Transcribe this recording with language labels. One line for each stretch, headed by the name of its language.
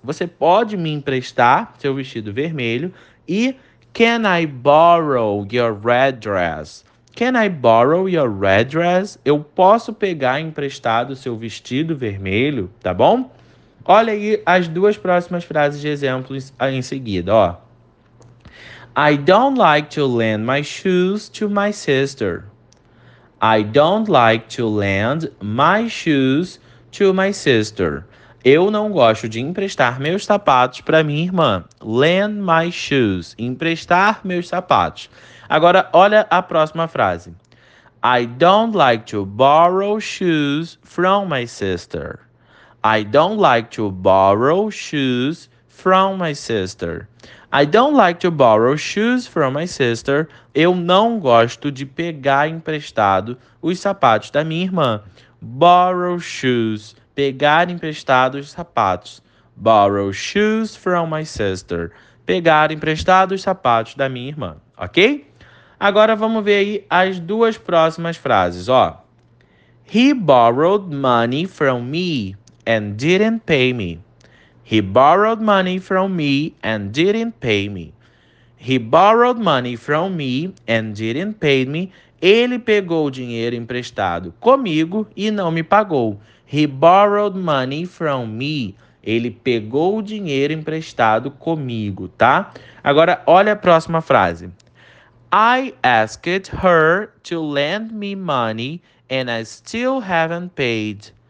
Portuguese: Você pode me emprestar seu vestido vermelho? E
English: can I borrow your red dress? Can I borrow your red dress?
Portuguese: Eu posso pegar emprestado seu vestido vermelho, tá bom? Olha aí as duas próximas frases de exemplos aí em seguida, ó.
English: I don't like to lend my shoes to my sister. I don't like to lend my shoes to my sister.
Portuguese: Eu não gosto de emprestar meus sapatos para minha irmã.
English: Lend my shoes,
Portuguese: emprestar meus sapatos. Agora, olha a próxima frase.
English: I don't like to borrow shoes from my sister. I don't like to borrow shoes from my sister. I don't like to borrow shoes from my sister.
Portuguese: Eu não gosto de pegar emprestado os sapatos da minha irmã. Borrow shoes, pegar emprestado os sapatos.
English: Borrow shoes from my sister,
Portuguese: pegar emprestado os sapatos da minha irmã, ok? Agora vamos ver aí as duas próximas frases, ó.
English: He borrowed money from me and didn't pay me. He borrowed money from me and didn't pay me. He borrowed money from me and didn't pay me.
Portuguese: Ele pegou o dinheiro emprestado comigo e não me pagou.
English: He borrowed money from me.
Portuguese: Ele pegou o dinheiro emprestado comigo, tá? Agora olha a próxima frase.
English: I asked her to lend me money and I still haven't paid.